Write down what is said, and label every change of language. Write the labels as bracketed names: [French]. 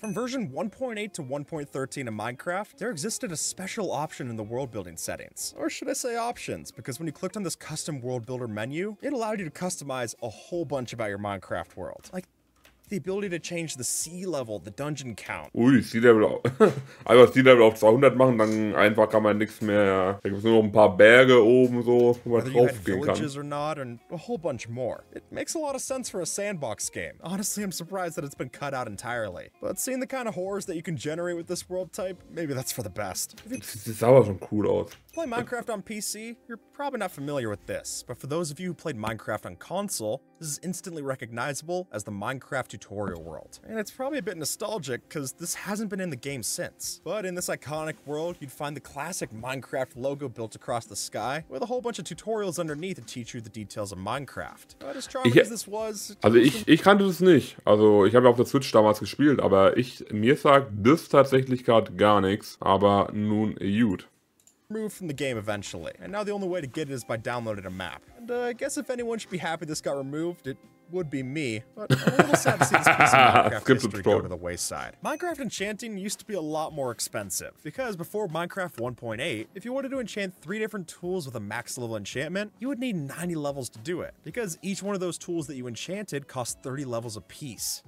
[English] From version 1.8 to 1.13 in Minecraft, there existed a special option in the world building settings. Or should I say option? Options, because when you clicked on this custom world builder menu, it allowed you to customize a whole bunch about your Minecraft world. Like the ability to change the sea level, the dungeon count. [German] Ui, sea level. Einfach sea level auf 200 machen, dann einfach kann man nichts mehr. Da gibt es nur noch ein paar Berge oben so, wo man draufgehen kann. [English] Villages or not, and a whole bunch more. It makes a lot of sense for a sandbox game. Honestly, I'm surprised that it's been cut out entirely. But seeing the kind of horrors that you can generate with this world type, maybe that's for the best. [German] Das sieht aber schon cool aus. [English] Play Minecraft on PC, you're probably not familiar with this, but for those of you who played Minecraft on console, this is instantly recognizable as the Minecraft tutorial world. And it's probably a bit nostalgic, because this hasn't been in the game since. But in this iconic world, you'd find the classic Minecraft logo built across the sky, with a whole bunch of tutorials underneath to teach you the details of Minecraft. But as charming as this was... [German] Also ich kannte das nicht. Also ich habe auf der Switch damals gespielt, aber ich, mir sagt das tatsächlich gerade gar nichts, aber nun gut. [English] Removed from the game eventually, and now the only way to get it is by downloading a map. And I guess if anyone should be happy this got removed, it would be me, but I'm a little sad to see this piece of go to the wayside. Minecraft enchanting used to be a lot more expensive, because before Minecraft 1.8, if you wanted to enchant 3 different tools with a max level enchantment, you would need 90 levels to do it, because each one of those tools that you enchanted cost 30 levels apiece.